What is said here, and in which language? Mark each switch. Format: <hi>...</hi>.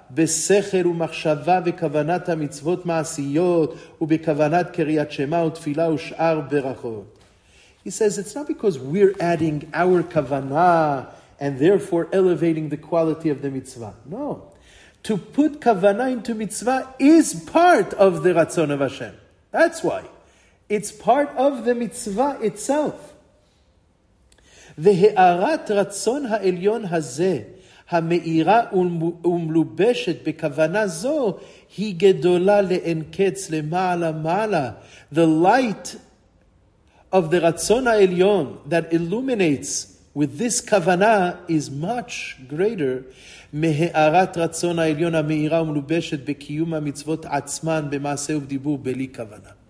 <he>בסכר ומחשבה וכוונת המצוות מעשיות ובכוונת קריאת שמה ותפילה ושאר ברכות.</he> <en>He says, it's not because we're adding our kavanah and therefore elevating the quality of the mitzvah. No. To put kavanah into mitzvah is part of the Ratzon of Hashem. That's why. It's part of the mitzvah itself.</en> <he>והארת רצון העליון הזה המאירה ומלובשת בכוונה זו היא גדולה לאין קץ למעלה מעלה.</he> <en>The light of the Ratzon HaElyon that illuminates with this kavanah is much greater</en> <he>מהארת רצון העליון המאירה ומלובשת בקיום המצוות עצמן במעשה ובדיבור בלי כוונה.</he>